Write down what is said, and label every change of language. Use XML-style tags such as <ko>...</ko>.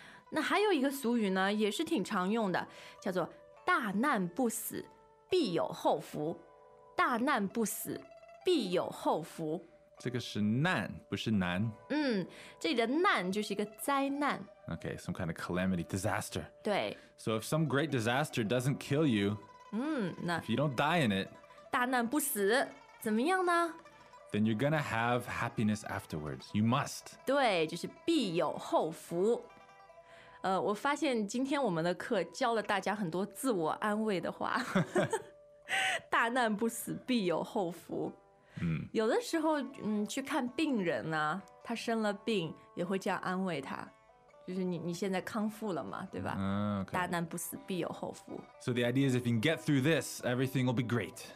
<zh>那还有一个俗语呢，也是挺常用的，叫做大难不死，必有后福。大难不死，必有后福。这个是难，不是难。嗯，这里的难就是一个灾难。</zh> <en>Okay, some kind of calamity, disaster.</en> <zh>对。</zh> <en>So if some great disaster doesn't kill you,</en> <zh>那</zh> <en>if you don't die in it,</en> <zh>大难不死，怎么样呢？</zh> <en>Then you're gonna have happiness afterwards. You must.</en> <zh>对，就是必有后福。我发现今天我们的课教了大家很多自我安慰的话。大难不死，必有后福。嗯、有的时候、去看病人呢、他生了病也会这样安慰他，就是 你现在康复了嘛，对吧、</zh> <en>okay.</en> <zh>大难不死必有后福。</zh> <en>So the idea is if you can get through this, everything will be great.</en>